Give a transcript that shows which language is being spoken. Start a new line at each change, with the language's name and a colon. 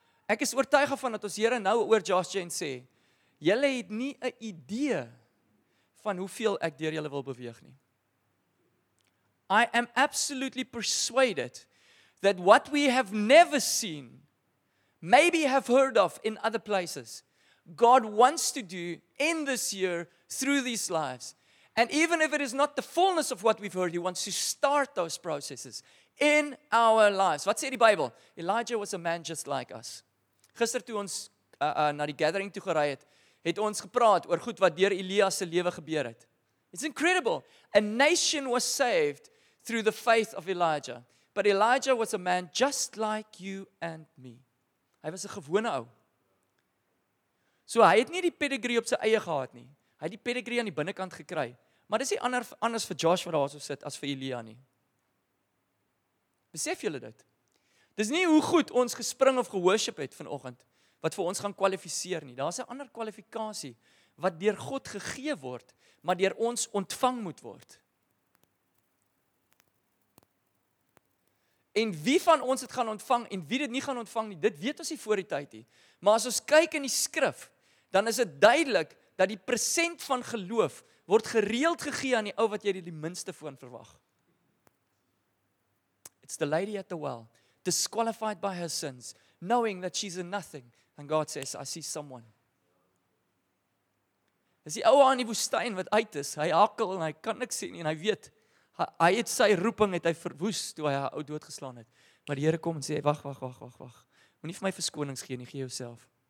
Afrikaans: Ek is oortuig van dat ons Here nou oor Josh Jane sê, julle het nie 'n idee van hoeveel ek deur julle wil beweeg nie.
English: I am absolutely persuaded that what we have never seen, maybe have heard of in other places, God wants to do in this year through these lives. And even if it is not the fullness of what we've heard, he wants to start those processes in our lives.
Afrikaans: Wat sê die Bybel?
English: Elijah was a man just like us.
Afrikaans: Gister toe ons na die gathering toe gery het ons gepraat oor goed wat deur Elia se lewe gebeur het.
English: It's incredible. A nation was saved through the faith of Elijah. But Elijah was a man just like you and me.
Afrikaans: Hy was 'n gewone ou. So hy het nie die pedigree op sy eie gehad nie. Hy het die pedigree aan die binnekant gekry. Maar dis nie anders vir Josh wat daar so sit as vir Elia nie. Besef julle dit? Dis nie hoe goed ons gespring of gehoorship het vanoggend wat vir ons gaan kwalifiseer nie. Daar's 'n ander kwalifikasie wat deur God gegee word, maar deur ons ontvang moet word. En wie van ons het gaan ontvang en wie dit nie gaan ontvang nie, dit weet ons nie voor die tyd nie. Maar as ons kyk in die skrif, dan is dit duidelik dat die present van geloof word gereeld gegee aan die ou wat jy die minste van verwag.
English: It's the lady at the well, disqualified by her sins, knowing that she's a nothing. And God says, I see someone.
Afrikaans: Dis die ou aan die woestyn wat uit is, hy hakkel en hy kan niks sien en hy weet, hy het sy roeping het hy verwoes toe hy haar ou doodgeslaan het. Maar die Here kom en sê, wag. Moenie vir my verskonings gee nie, gee jouself.